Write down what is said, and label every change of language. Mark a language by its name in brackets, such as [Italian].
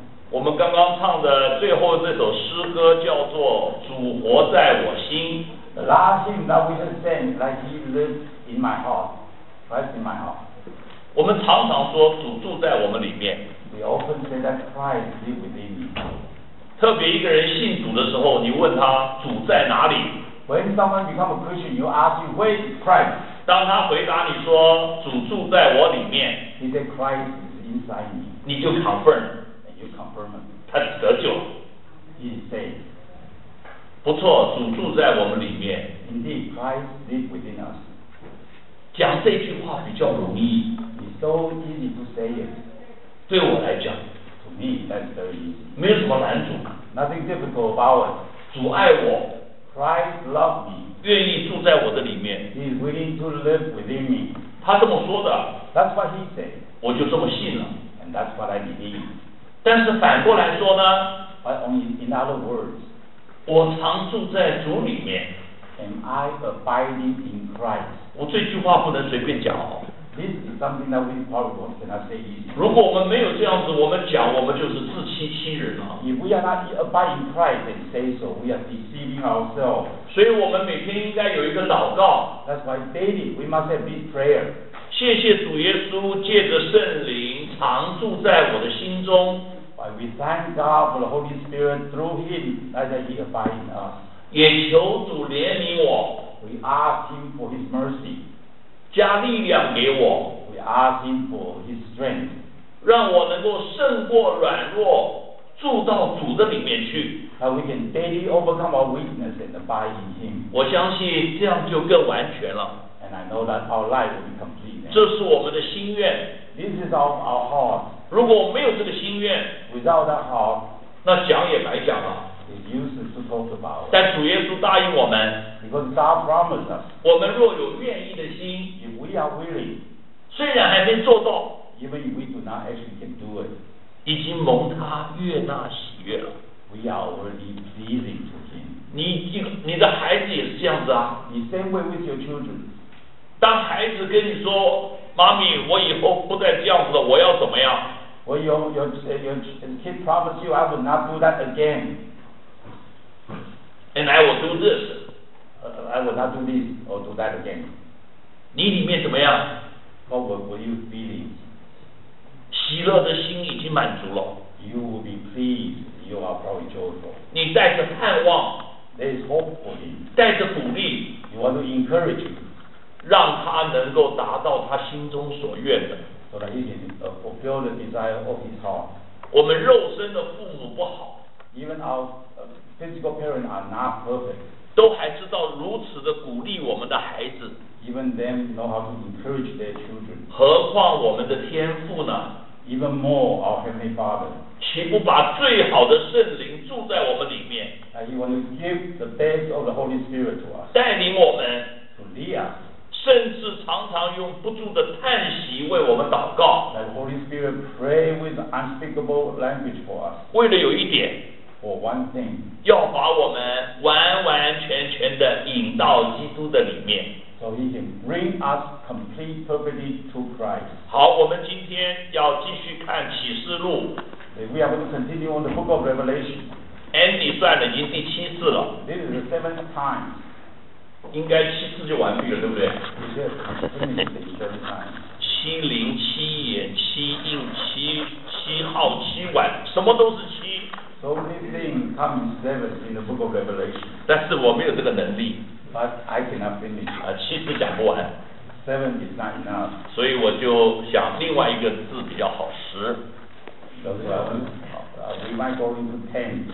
[Chinese] 我们刚刚唱的最后这首诗歌叫做主活在我心。 [English] The last hymn that we just sang, like He lives in my heart, Christ in my heart. [Chinese] 我们常常说主住在我们里面。 [English] We often say that Christ lives within me. [Chinese] 特别一个人信主的时候，你问他主在哪里？ [English] When someone becomes a Christian, you ask him, where is Christ? [Chinese] 当他回答你说主住在我里面， [English] He said Christ is inside me. [Chinese] 你就 confirm, [English] and you confirm him. [Chinese] 他得救了。 [English] He said. [Chinese] 不错，主住在我们里面。 [English] Indeed, Christ lives within us. [Chinese] 讲这句话比较容易。 [English] It's so easy to say it. [Chinese] 对我来讲 [English] ，To me, that's very easy. [Chinese] 没有什么难主。 [English] Nothing difficult about it. [Chinese] 主爱我。 [English] Christ loves me. [Chinese] 愿意住在我的里面。 [English] He's willing to live within me. [Chinese] 他这么说的。 [English] That's what he said. [Chinese] 我就这么信了。 [English] And that's what I believe. [Chinese] 但是反过来说呢 [English] ？But on in other words. [Chinese] 我常住在主里面。 [English] Am I abiding in Christ? [Chinese] 我这句话不能随便讲哦。 [English] This is something that we probably cannot say easy. [Chinese] 如果我们没有这样子，我们讲我们就是自欺欺人了。 [English] If we are not abiding in Christ and say so, we are deceiving ourselves. [Chinese] 所以我们每天应该有一个祷告。 [English] That's why daily we must have this prayer. [Chinese] 谢谢主耶稣，借着圣灵常住在我的心中。 [English] We thank God for the Holy Spirit through Him that He abides in us. [Chinese] 也求主怜悯我。 [English] We ask Him for His mercy. [Chinese] 加力量给我。 [English] We ask Him for His strength. [Chinese] 让我能够胜过软弱，住到主的里面去。 [English] That we can daily overcome our weakness and abide in Him. [Chinese] 我相信这样就更完全了。 [English] And I know that our life will be complete. [Chinese] 这是我们的心愿。 [English] This is our heart. [Chinese] 如果没有这个心愿 [English] ，without that heart， [Chinese] 那讲也白讲了。 [English] It's useless to talk about. [Chinese] 但主耶稣答应我们 [English] ，because God promised us. [Chinese] 我们若有愿意的心 [English] ，if we are willing， [Chinese] 虽然还没做到 [English] ，even if we do not actually can do it， [Chinese] 已经蒙他悦纳喜悦了。 [English] We are already pleasing to Him. [Chinese] 你的孩子也是这样子啊 [English] ？The same way with your children. [Chinese] 当孩子跟你说。妈咪，我以后不再这样子了，我要怎么样 [English] ？Well, your kid promised you I will not do that again. And I will do this. I will not do this or do that again. [Chinese] 你里面怎么样 [English] ？What will you feeling? [Chinese] 喜乐的心已经满足了。 [English] You will be pleased. You are probably joyful. [Chinese] 你带着盼望 [English] ，There is hope for him. [Chinese] 带着鼓励 [English] ，You want to encourage him. [Chinese] 让他能够达到他心中所愿的。 [English] So that he can fulfill the desire of his heart. [Chinese] 我们肉身的父母不好。 [English] Even our physical parents are not perfect. [Chinese] 都还知道如此的鼓励我们的孩子。 [English] Even them know how to encourage their children. [Chinese] 何况我们的天父呢 [English] ？Even more our heavenly Father. [Chinese] 岂不把最好的圣灵住在我们里面 [English] ？And he wants to give the best of the Holy Spirit to us. [Chinese] 带领我们。 [English] To lead us. [Chinese] 甚至常常用不住的叹息为我们祷告。 [English] That Holy Spirit pray with unspeakable language for us. [Chinese] 为了有一点 [English] ，for one thing， [Chinese] 要把我们完完全全的引到基督的里面。 [English] So He can bring us complete, perfectly to Christ. [Chinese] 好，我们今天要继续看启示录。 [English] We are going to continue on the Book of Revelation. [Chinese] Andy 算了，已经第七次了。 [English] This is the seventh time. [Chinese] 应该七次就完毕了，对不对？七零七眼七印七七号七晚，什么都是七。 [English] So many things come in seven in the Book of Revelation. [Chinese] 但是我没有这个能力。 [English] But I cannot finish. [Chinese] 七次讲不完。 [English] Seven is not enough. [Chinese] 所以我就想另外一个字比较好，十。 [English] We might go into ten.